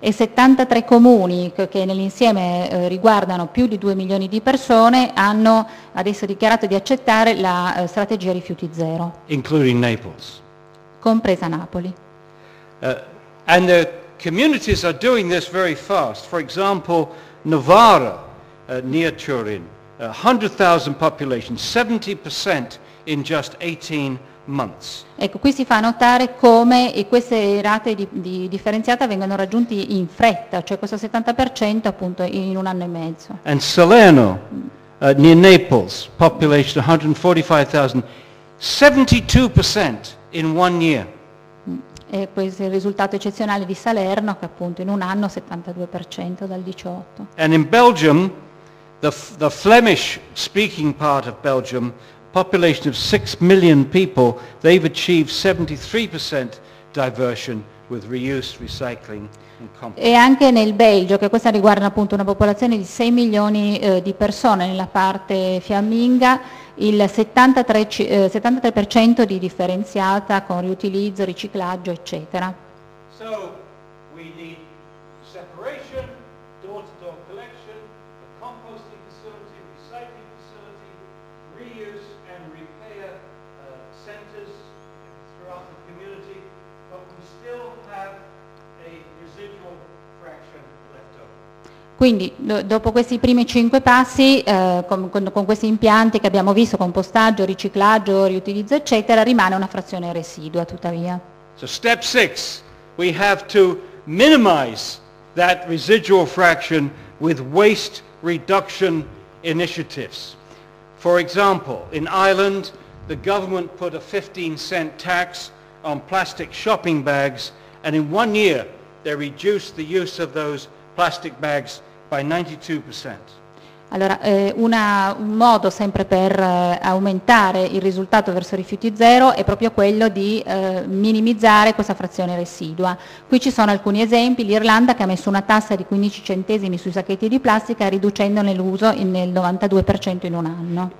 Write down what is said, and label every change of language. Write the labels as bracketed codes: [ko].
[it] E 73 comuni che nell'insieme riguardano più di 2 milioni di persone hanno adesso dichiarato di accettare la strategia rifiuti zero. [en] Including Naples. [it] Compresa Napoli. [en] And the communities are doing this very fast. For example, Novara near Turin, 100,000 population, 70% in just 18 months. [it] Ecco, qui si fa notare come queste rate di differenziata vengono raggiunti in fretta, cioè questo 70% appunto in un anno e mezzo. [en] And Salerno near Naples, population 145,000, 72% in one year. [it] E questo è il risultato eccezionale di Salerno, che appunto in un anno 72% dal 18. [en] And in Belgium, the Flemish speaking part of Belgium, population of 6 million people, they've achieved 73% diversion with reuse, recycling and compost. [it] E anche nel Belgio, che questa riguarda appunto una popolazione di 6 milioni di persone nella parte fiamminga, il 73% di differenziata con riutilizzo, riciclaggio, eccetera. [en] So we need separation, door-to-door collection, a composting facility, recycling facility, reuse and repair centers throughout the community, but we still have a residual fraction left over. [it] Quindi, dopo questi primi cinque passi, con questi impianti che abbiamo visto, compostaggio, riciclaggio, riutilizzo, eccetera, rimane una frazione residua, tuttavia. [en] So step six, we have to minimize that residual fraction with waste reduction initiatives. For example, in Ireland, the government put a 15-cent tax on plastic shopping bags and in 1 year they reduced the use of those plastic bags by 92%. [it] Allora, un modo sempre per aumentare il risultato verso rifiuti zero è proprio quello di minimizzare questa frazione residua. Qui ci sono alcuni esempi, l'Irlanda che ha messo una tassa di 15 centesimi sui sacchetti di plastica riducendone l'uso nel 92% in un anno.